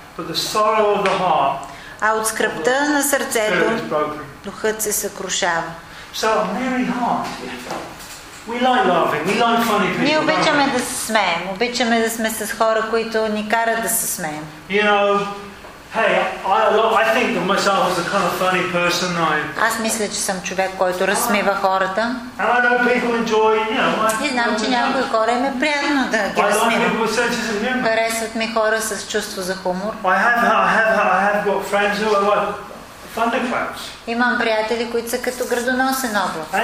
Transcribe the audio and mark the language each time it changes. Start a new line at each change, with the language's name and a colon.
English: But the sorrow of the heart,
Bulgarian: а от скръпта на сърцето духът се съкрушава.
English: So, merry heart. We like laughing. We like funny people.
Bulgarian: Ние обичаме да се смеем. Обичаме да сме с хора, които ни карат да се смеем.
English: You know, I think of myself as a kind of funny person.
Bulgarian: Аз мисля, че съм човек, който разсмива хората.
English: And I know people enjoy, you know, my,
Bulgarian: и знам, че някои хора им е приятно да ги разсмива. Харесват ми хора с чувство за хумор.
English: I have got friends who are like thunderclouds.
Bulgarian: Имам приятели, които са като градоносен облак.